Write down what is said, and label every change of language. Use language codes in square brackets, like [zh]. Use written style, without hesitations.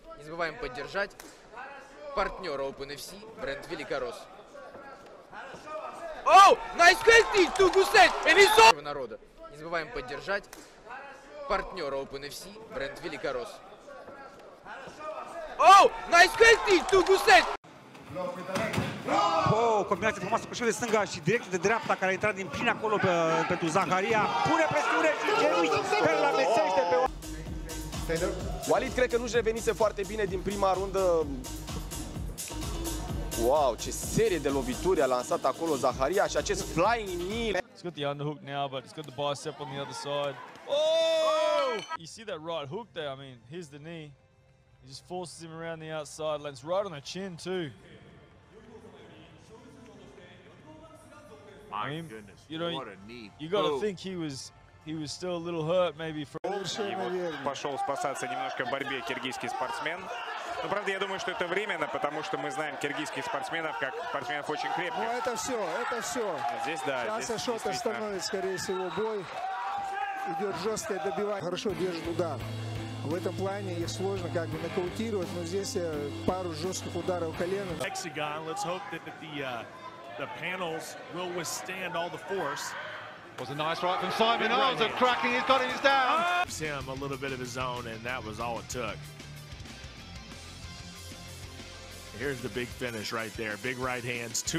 [ru] Не забываем поддержать партнера OpenFC, бренд Великорос. [en] Oh, nice kick to Gusev, and he's off. [ru] Народа. Не забываем поддержать партнера OpenFC, бренд Великорос. [en] Oh, nice kick to Gusev. [ro] O combinație frumoasă cu șeful de stânga și direct de dreapta care a intrat din plin acolo pe, pentru Zaharia. Pune presiune și genunchi, pe la mesește pe oameni. Walid cred că nu-și revenise foarte bine din prima rundă. Wow, ce serie de lovituri a lansat acolo Zaharia și acest flying knee. [en] He's got the underhook now, but he's got the bicep on the other side. Oh! You see that right hook there? I mean, here's the knee. He just forces him around the outside, lands right on the chin too. My goodness, you know, what a knee. You gotta think he was still a little hurt maybe from... [ru] Пошел спасаться немножко в борьбе киргизский спортсмен. Но правда, я думаю, что это временно, потому что мы знаем киргизских спортсменов как спортсменов очень крепких. Ну это все, это все. Здесь, да, сейчас здесь Ашот остановит, скорее всего, бой. Идет жесткое добивание. Хорошо держит удар. В этом плане их сложно как бы нокаутировать, но здесь пару жестких ударов колена. [en] Hexagon, let's hope that the panels will withstand all the force. Was a nice right from Simon Arnold, right cracking, he's got his down. Gives him a little bit of his own, and that was all it took. Here's the big finish right there. Big right hands, two.